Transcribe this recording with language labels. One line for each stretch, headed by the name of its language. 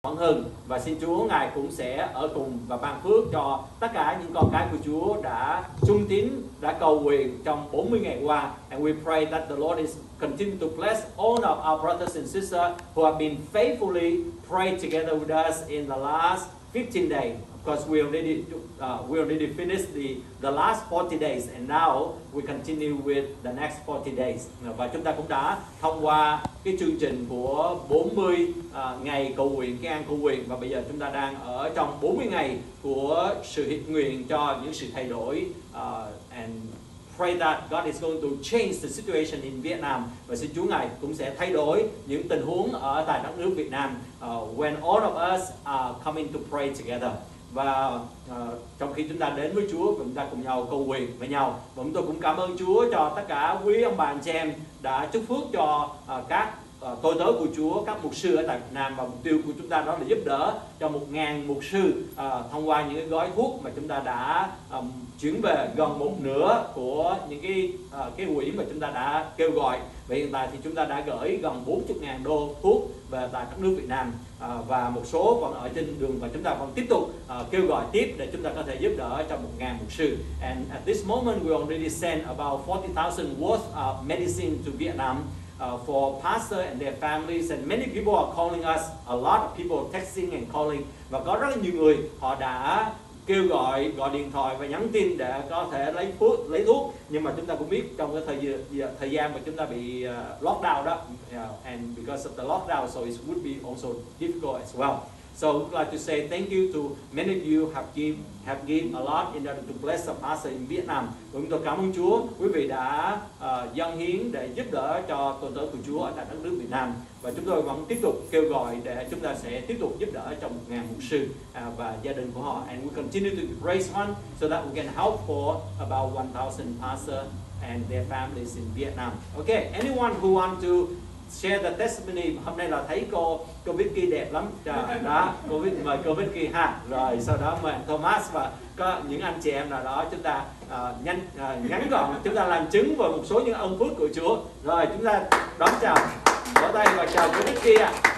Vietnamese: thánh thần, và xin Chúa Ngài cũng sẽ ở cùng và ban phước cho tất cả những con cái của Chúa đã trung tín, đã cầu nguyện trong 40 ngày qua.
English: And we pray that the Lord is continue to bless all of our brothers and sisters who have been faithfully prayed together with us in the last 15 days. Because we already finished the last 40 days, and now we continue with the next 40 days.
Vietnamese: Và chúng ta cũng đã thông qua cái chương trình của 40 ngày cầu nguyện, cái an cầu nguyện, và bây giờ chúng ta đang ở trong 40 ngày của sự hiệp nguyện cho những sự thay đổi.
English: And pray that God is going to change the situation in Vietnam.
Vietnamese: Và xin Chúa Ngài cũng sẽ thay đổi những tình huống ở tại đất nước Việt Nam.
English: When all of us are coming to pray together.
Vietnamese: Và trong khi chúng ta đến với Chúa, chúng ta cùng nhau cầu nguyện với nhau. Và chúng tôi cũng cảm ơn Chúa cho tất cả quý ông bà anh chị em đã chúc phước cho các tôi tớ của Chúa, các mục sư ở tại Việt Nam. Và mục tiêu của chúng ta đó là giúp đỡ cho 1.000 mục sư thông qua những gói thuốc mà chúng ta đã chuyển về, gần một nửa của những cái quỹ mà chúng ta đã kêu gọi. Và hiện tại thì chúng ta đã gửi gần 40.000 đô thuốc về tại các nước Việt Nam, và một số còn ở trên đường, và chúng ta còn tiếp tục kêu gọi tiếp để chúng ta có thể giúp đỡ cho 1.000 mục sư.
English: And at this moment we already sent about 40,000 worth of medicine to Vietnam for pastor and their families, and many people are calling us, a lot of people texting and calling.
Vietnamese: Và có rất là nhiều người họ đã kêu gọi điện thoại và nhắn tin để có thể lấy thuốc. Nhưng mà chúng ta cũng biết trong cái thời gian mà chúng ta bị lockdown đó,
English: and because of the lockdown, so it would be also difficult as well. So I'd like to say thank you to many of you have given a lot in order to bless the pastor in Vietnam.
Vietnamese: Chúng tôi cảm ơn Chúa, quý vị đã dâng hiến để giúp đỡ cho tôn tớ của Chúa ở tại đất nước Việt Nam. Và chúng tôi vẫn tiếp tục kêu gọi để chúng ta sẽ tiếp tục giúp đỡ cho 1.000 mục sư và gia đình của họ.
English: And we continue to raise funds so that we can help for about 1,000 pastors and their families in Vietnam. Okay, anyone who want to share the testimony.
Vietnamese: Hôm nay là thấy cô Vicky đẹp lắm. Đó, cô Vicky, mời cô Vicky ha. Rồi sau đó mời Thomas và có những anh chị em nào đó, chúng ta ngắn gọn chúng ta làm chứng vào một số những ân phước của Chúa. Rồi chúng ta đón chào, vỗ tay và chào cô Vicky ạ.